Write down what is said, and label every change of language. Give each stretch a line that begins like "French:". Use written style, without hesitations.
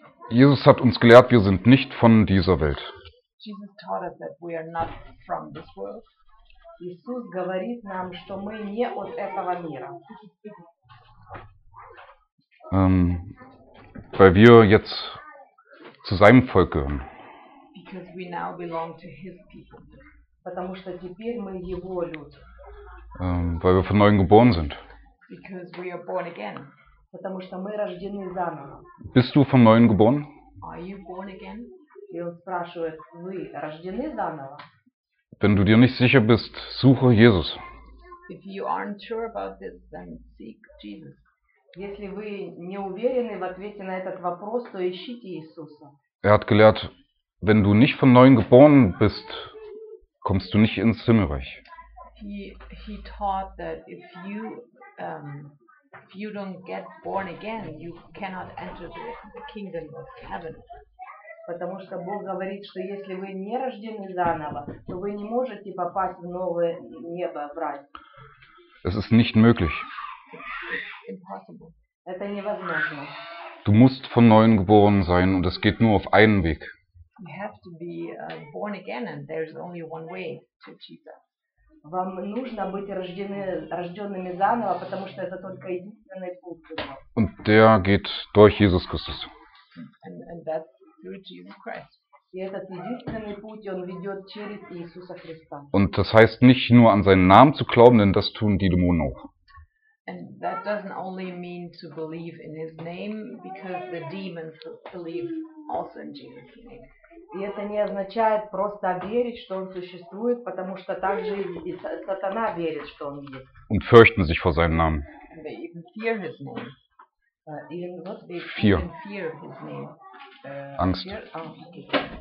German: Jesus hat uns gelehrt, wir sind nicht von dieser Welt.
English: Jesus taught us that we are not from this world.
Russian: Jesus говорит нам, что мы не от этого мира.
German: Weil wir jetzt zu seinem Volk gehören.
English: Because we now belong to his people.
Russian: Потому что теперь мы его люди.
German: Weil wir von neuem geboren sind.
English: Because we are born again.
Russian: Потому что мы рождены заново.
German: Bist du von neuem geboren?
English: Are you born again?
Russian: И он спрашивает, вы рождены заново?
German: Wenn du dir nicht sicher bist, suche Jesus.
English: If you aren't sure about this, then seek Jesus.
Russian: Если вы не уверены в ответе на этот вопрос, то ищите Иисуса.
German: Er hat gelehrt, wenn du nicht von neuem geboren bist, kommst du nicht ins Himmelreich.
English: He taught that if you if you don't get born again, you cannot enter the kingdom of heaven.
Russian: Потому что Бог говорит, что если вы не рождены заново, то вы не можете попасть в новое небо, в рай.
German: Es ist nicht möglich.
English: Impossible.
Russian: Это невозможно.
German: Du musst von neuem geboren sein und es geht nur auf einen Weg.
English: You have to be born again and there's only one way to Jesus.
Russian: Вам нужно быть рожденными заново, потому что это только единственный путь.
German: Und der geht durch Jesus Christus.
English: And that's through Jesus Christ.
Russian: И этот единственный путь, он ведет через Иисуса Христа.
German: Und das heißt nicht nur an seinen Namen zu glauben, denn das tun die Dämonen auch.
English: And that doesn't only mean to believe in his name, because the demons believe also in Jesus' name.
Russian: И это не означает просто верить, что он существует, потому что также и сатана верит, что он есть.
German: Und fürchten sich vor seinem Namen.
English: And they even fear his name. Even what? They fear. Even fear his name.
German: Angst.